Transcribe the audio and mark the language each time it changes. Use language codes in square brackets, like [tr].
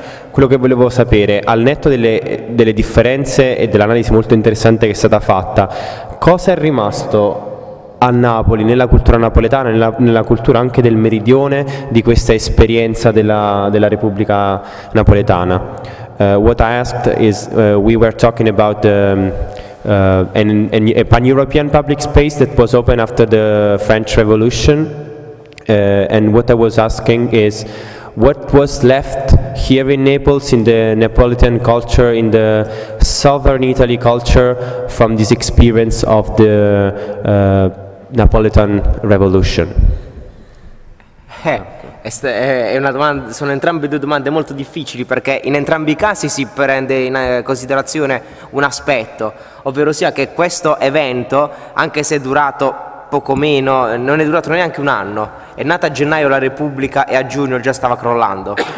[it] Quello che volevo sapere, al netto delle differenze e dell'analisi molto interessante che è stata fatta, cosa è rimasto a Napoli, nella cultura napoletana, nella cultura anche del meridione, di questa esperienza della Repubblica Napoletana? [en] What I asked is, we were talking about a pan-European public space that was open after the French Revolution, and what I was asking is, what was left here in Naples, in the Neapolitan culture, in the southern Italy culture, from this experience of the Napoletan Revolution? [it] È una domanda, sono entrambe due domande molto difficili, perché in entrambi i casi si prende in considerazione un aspetto, ovvero sia che questo evento, anche se è durato poco meno, non è durato neanche un anno, è nata a gennaio la Repubblica e a giugno già stava crollando.